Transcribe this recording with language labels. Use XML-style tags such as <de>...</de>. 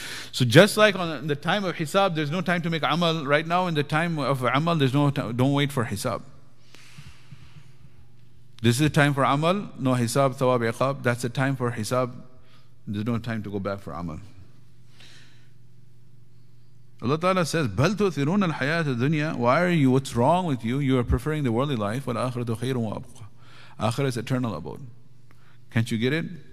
<en>So just like on the time of hisab, there's no time to make amal. Right now in the time of amal, there's no time. Don't wait for hisab. This is the time for amal. No hisab, thawab, iqab. That's the time for hisab. There's no time to go back for amal. Allah Ta'ala says,</en> <ar>بَلْ تُؤْثِرُونَ الْحَيَاةَ الدُّنْيَا.</ar> <en>Why are you, what's wrong with you? You are preferring the worldly life.</en> <ar>وَالْآخِرَةُ خَيْرٌ وَأَبْقَى.</ar> <en>Akhirah is eternal abode. Can't you get it?</en>